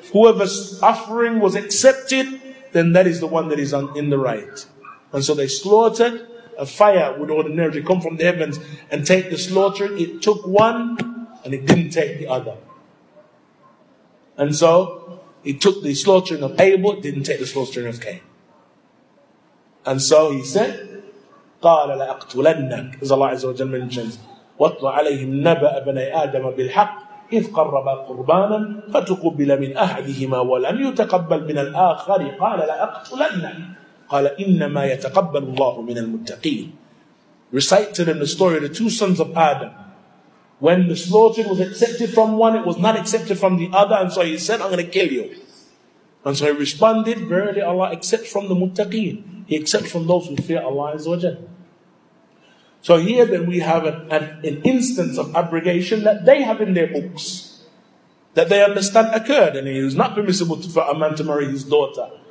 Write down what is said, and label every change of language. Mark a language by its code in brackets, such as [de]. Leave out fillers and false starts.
[en] Whoever's offering was accepted, then that is the one that is in the right. And so they slaughtered. A fire would ordinarily come from the heavens and take the slaughter. It took one and it didn't take the other. And so he took the slaughtering of Abel, didn't take the slaughtering of Cain. And so he said, [ar] قَالَ لَأَقْتُلَنَّكَ [en] As Allah Azza wa Jalla mentions, [ar] وَاطْلُ عَلَيْهِمْ نَبَأَ بَنَيْ آدَمَ بِالْحَقِّ إِذْ قَرَّبَا قُرْبَانًا فَتُقُبِّلَ مِنْ أَحَدِهِمَا وَلَمْ يُتَقَبَّلْ مِنَ الْآخَرِ قَالَ لَأَقْتُلَنَّكَ قَالَ إِنَّمَا يَتَقَبَّلُ اللَّهُ مِنَ الْمُتَّقِينَ [en] Recite to them the story of the two sons of Adam. When the slaughter was accepted from one, it was not accepted from the other, and so he said, I'm going to kill you. And so he responded, Verily Allah accepts from the muttaqeen. He accepts from those who fear Allah Azza wa Jalla. So here then we have an instance of abrogation that they have in their books, that they understand occurred, and it was not permissible for a man to marry his daughter.